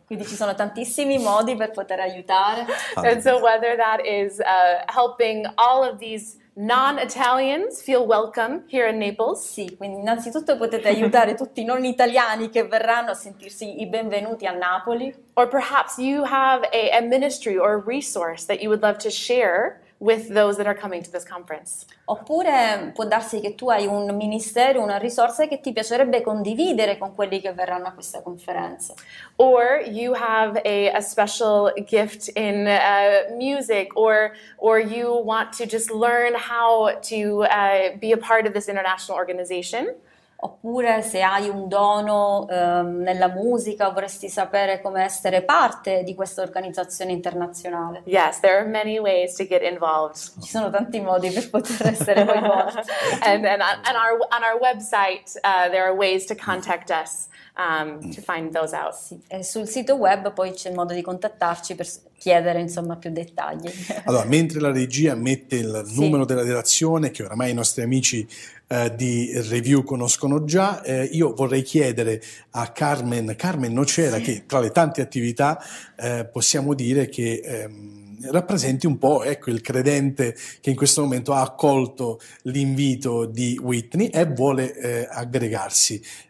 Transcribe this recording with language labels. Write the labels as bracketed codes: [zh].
[it] Quindi ci sono tantissimi modi per poter aiutare. [en] And so whether that is helping all of these non-Italians feel welcome here in Naples. [it] Sì, quindi innanzitutto potete aiutare tutti i non italiani che verranno a sentirsi i benvenuti a Napoli. [en] Or perhaps you have a ministry or a resource that you would love to share with those that are coming to this conference. [it] Oppure può darsi che tu hai un ministero, una risorsa che ti piacerebbe condividere con quelli che verranno a questa conferenza. [en] Or you have a special gift in music or you want to just learn how to be a part of this international organization. [it] Oppure se hai un dono nella musica, vorresti sapere come essere parte di questa organizzazione internazionale. [en] Yes, there are many ways to get involved. [it] Ci sono tanti modi per poter essere coinvolti. [en] And on our website there are ways to contact us to find those out. [it] Sì. E sul sito web poi c'è il modo di contattarci per chiedere insomma più dettagli. Allora, mentre la regia mette il numero della relazione, che oramai i nostri amici di Review conoscono già, io vorrei chiedere a Carmen Nocera, che tra le tante attività possiamo dire che rappresenti un po', ecco, il credente che in questo momento ha accolto l'invito di Whitney e vuole aggregarsi.